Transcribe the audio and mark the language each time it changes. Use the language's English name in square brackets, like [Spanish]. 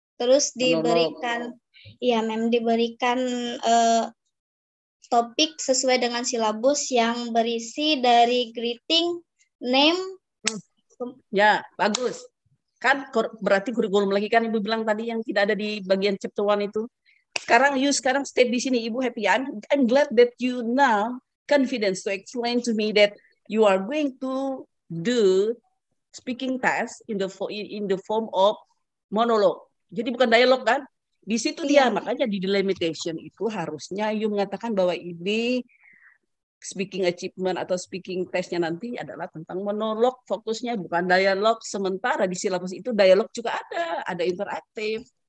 [Indonesian] Terus diberikan, diberikan topik sesuai dengan silabus yang berisi dari greeting. [English] Name. [Indonesian] Ya, bagus. Kan berarti kurikulum lagi kan Ibu bilang tadi yang tidak ada di bagian chapter 1 itu. Sekarang you sekarang stay di sini Ibu happy. [English] I'm glad that you now confidence to explain to me that you are going to do speaking test in the form of monologue. [Indonesian] Jadi bukan dialog kan? Di situ dia makanya di delimitation itu harusnya you mengatakan bahwa ini speaking achievement atau speaking testnya nanti adalah tentang monolog, fokusnya bukan dialog. Sementara di silabus itu dialog juga ada interaktif.